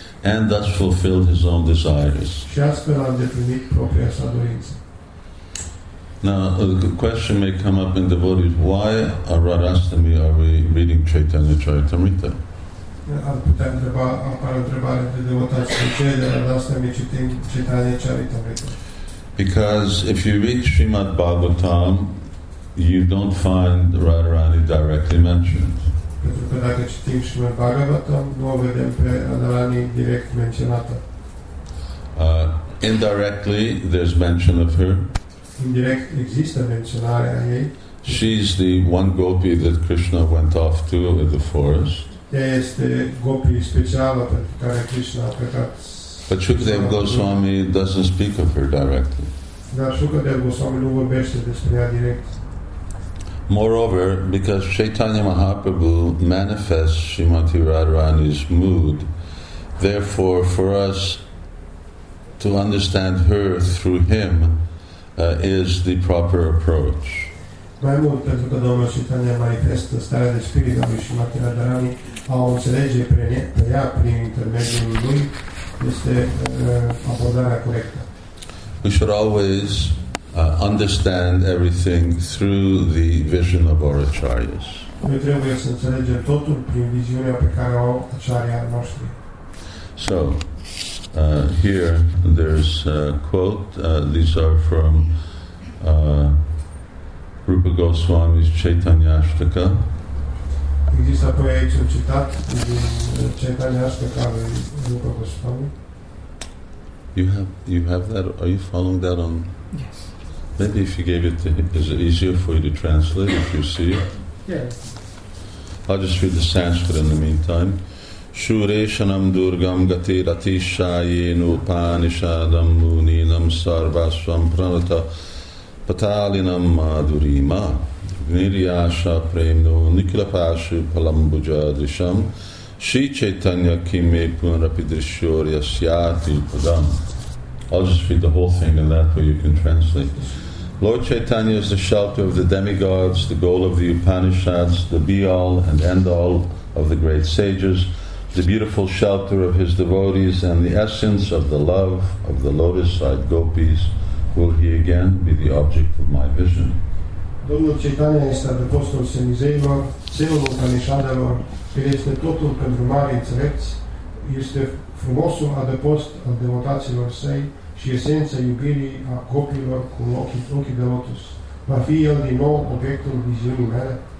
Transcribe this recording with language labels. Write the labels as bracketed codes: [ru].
[en] and thus fulfill his own desires. [ro] Și astfel a îndeplinit propria sa dorință. [en] Now, the question may come up in devotees, why a Radhastami are we reading Chaitanya Charitamrita? [ro] Ar putea întreba, apare o întrebare de devotați, de ce de Radhastami citim Chaitanya Charitamrita? [en] Because if you read Srimad Bhagavatam, you don't find Radharani directly mentioned. [ro] Pentru că dacă citim Srimad Bhagavatam, nu o vedem pe Radharani direct menționată. [en] Indirectly, there's mention of her. [ro] Indirect există menționarea ei. [en] She's the one gopi that Krishna went off to in the forest. [ro] Ea este gopi specială pentru care Krishna a plecat. [en] But Shukadeva Goswami doesn't speak of her directly. [ro] Dar Shukadeva Goswami nu vorbește despre ea direct. [en] Moreover, because Chaitanya Mahaprabhu manifests Srimati Radharani's mood, therefore for us to understand her through him is the proper approach. [ro] Mai mult, pentru că Domnul Chaitanya manifestă starea de spirit a lui Srimati Radharani, a o înțelege pe ea prin intermediul lui, este abordarea corectă. [en] We should always understand everything through the vision of our acharyas. [ro] Noi trebuie să înțelegem totul prin viziunea pe care o acharya noastră. [en] So, here there's a quote. These are from Rupa Goswami's Chaitanya Ashtaka. [ro] Există apoi aici un citat din Chaitanya Ashtaka lui Rupa Goswami. [en] You have that? Are you following that on? Yes. Maybe if you gave it to him, is it easier for you to translate if you see it? Yes. I'll just read the Sanskrit in the meantime. [sa] Shureshanam durgam gati ratishayenu panishadam muninam sarvasvam pranata patalinam madurima niryasha premno nikilapashu palambuja drisham shi chaitanya kime punrapidrishyori asyati padam. [en] I'll just read the whole thing and that way you can translate. Lord Chaitanya is the shelter of the demigods, the goal of the Upanishads, the be-all and end-all of the great sages, the beautiful shelter of his devotees, and the essence of the love of the lotus-eyed gopis. Will he again be the object of my vision? [ro] Domnul Chaitanya este adăpostul semizeilor, zeul Upanishadelor, el este totul pentru mari înțelepți, este frumosul adăpost al devotaților săi, și esența iubirii a copilor cu ochii de lotus. Va fi el din nou obiectul viziunii mele?